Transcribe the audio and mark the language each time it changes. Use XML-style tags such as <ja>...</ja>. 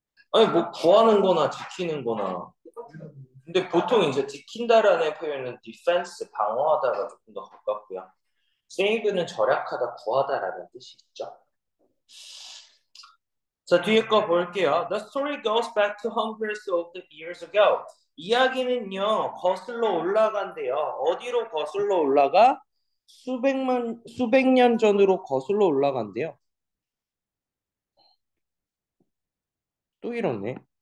<ko>아니 뭐 구하는 거나 지키는 거나. 근데 보통 이제 지킨다라는 표현은 디펜스, 방어하다가 조금 더 가깝고요. 세이브는 절약하다, 구하다라는 뜻이 있죠. 자, 뒤에 거 볼게요.</ko> <en>The story goes back to hundreds of years ago.</en> <ko>이야기는요, 거슬러 올라간대요. 어디로 거슬러 올라가? 수백 년 전으로 거슬러 올라간대요. 또 이러네.</ko>